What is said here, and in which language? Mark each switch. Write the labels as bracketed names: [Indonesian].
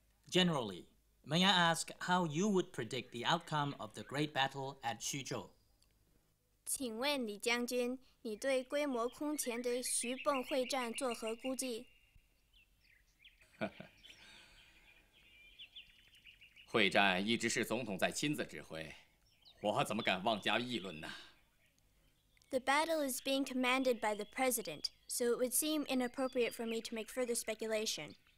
[English] Generally, may I ask how you would predict the outcome of the great battle at Xuzhou? [Chinese] 请问李将军，你对规模空前的徐蚌会战作何估计？会战一直是总统在亲自指挥，我怎么敢妄加议论呢？ [English] The battle is being commanded by the president, so it would seem inappropriate for me to make further speculation.